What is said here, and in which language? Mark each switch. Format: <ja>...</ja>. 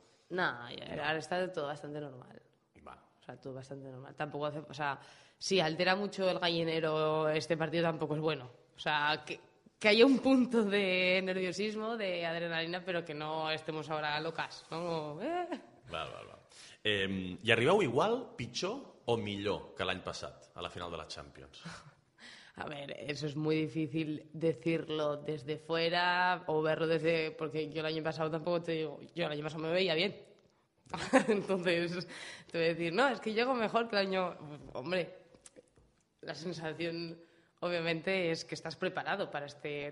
<ca>No, ara està tot bastant normal. Va.</ca> <es>O sea,</es> <ca>tot bastant normal. Tampoc hace...</ca> <es>O sea, si altera mucho el gallinero este partido, tampoc es bueno. O sea, que haya un punto de nerviosismo, de adrenalina, però que no estemos ahora locas, ¿no?</es> <ca>Val. I arribeu igual, pitjor o millor que l'any passat, a la final de la Champions?</ca> <es>A ver, eso es muy difícil decirlo desde fuera o verlo desde... Porque yo el año pasado tampoco te digo... Yo el año pasado me veía bien. Entonces, te voy a decir, no, es que llego mejor que el año... Hombre, la sensación, obviamente, es que estás preparado para este...</es>